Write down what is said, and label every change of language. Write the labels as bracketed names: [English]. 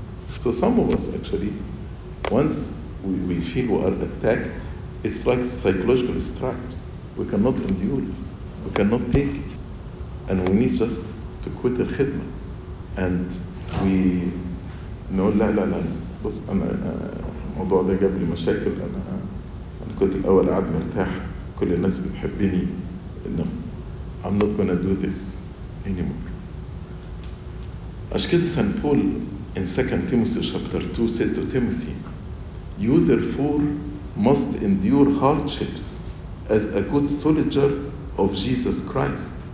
[English] So some of us actually, once we feel we are attacked, it's like psychological stripes. We cannot endure it. We cannot take it. And we need just to quit الخدمة. And we know, [Arabic] لا لا لا. بس أنا موضوع ده جاب لي مشاكل. أنا كنت الأول قاعد مرتاح. كل الناس بتحبني. [English] No, I'm not gonna do this anymore. [Arabic] عشان كده [English] سان بول in 2 Timothy chapter 2 said to Timothy, you therefore must endure hardships as a good soldier of Jesus Christ.